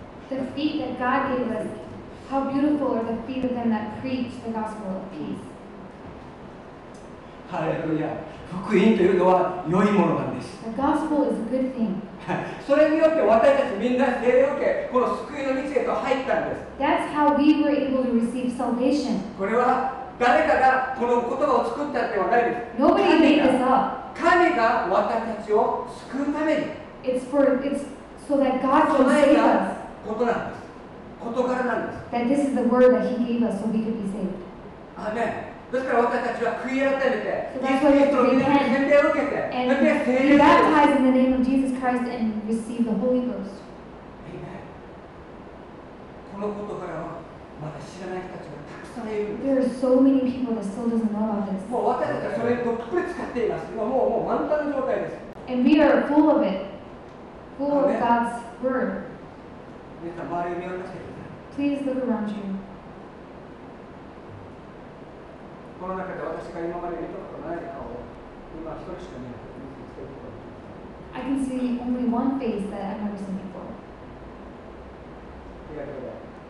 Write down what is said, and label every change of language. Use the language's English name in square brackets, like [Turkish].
[English] The feet that God gave us, how beautiful are the feet of them that preach the gospel of peace. [Japanese] ハレルヤ。福音というのは良いものなんです。 [English] The gospel is a good thing. [Japanese] それによって私たちみんな聖霊を受け、この救いの道へと入ったんです。 [English] That's how we were able to receive salvation. [Japanese] これは誰かがこの言葉を作ったってわかるんです。 [English] Nobody made this up. [Japanese] 神が私たちを救うために。 [English] It's so that God can save us. [Japanese] ことなんです。事柄なんです。 [English] That this is the word that He gave us so we could be saved. [Japanese] アメン。ですから私たちは悔い改めて、イエス・ キリストの名前に洗礼を受けて、そして聖霊を受けて、 [English] and receive the Holy Ghost. [Japanese] このことからはまだ知らない人たちがたくさんいるんです。 [English] There are so many people that still doesn't know about this. [Japanese] もう私たちはそれをどっぷり使っています。もう満タンの状態です。 [English] And we are full of it, full of God's word. [Japanese] 皆さん周りを見渡してください。 [English] Please look around you. [Japanese] この中で私が今まで見たことない顔を今一人しか見ないと見つけることができ [English] ます。I can see only one face that I've never seen before. [Japanese] ありがとうございます。